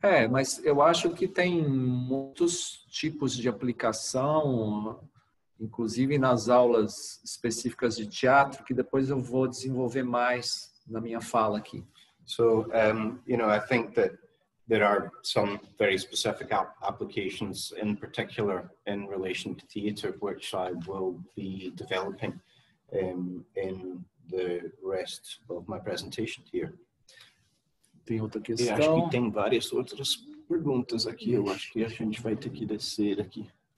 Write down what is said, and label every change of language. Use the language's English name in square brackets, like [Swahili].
[Portuguese] Mas eu acho que tem muitos tipos de aplicação, inclusive nas aulas específicas de teatro, que depois eu vou desenvolver mais na minha fala aqui. [English] So, you know, I think that there are some very specific applications in particular in relation to theater, which I will be developing in the rest of my presentation here. [Portuguese] Tem outra questão. Acho que tem várias outras perguntas aqui. Eu acho que a gente vai ter que descer aqui.